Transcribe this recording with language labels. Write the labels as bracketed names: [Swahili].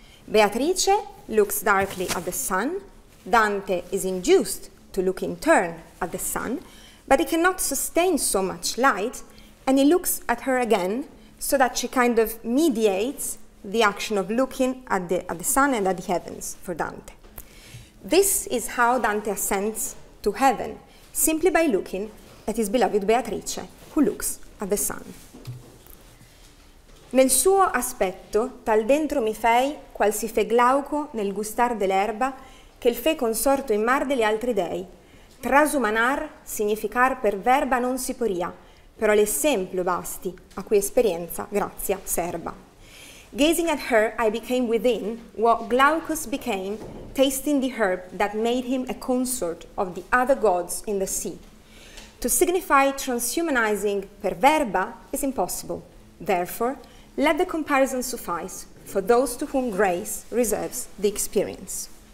[English] Beatrice looks directly at the sun, Dante is induced to look in turn at the sun, but he cannot sustain so much light, and he looks at her again, so that she kind of mediates the action of looking at the sun and at the heavens for Dante. This is how Dante ascends to heaven, simply by looking at his beloved Beatrice, who looks at the sun. [Italian] Nel suo aspetto tal dentro mi fei qual si fe Glauco nel gustar dell'erba che il fe consorto in mar degli altri dei. Trasumanar significar per verba non si poria, però l'esempio basti a cui esperienza grazia serba. [English] Gazing at her I became within what Glaucus became, tasting the herb that made him a consort of the other gods in the sea. To signify transhumanizing [Latin] per verba [English] is impossible. Therefore, let the comparison suffice for those to whom grace reserves the experience.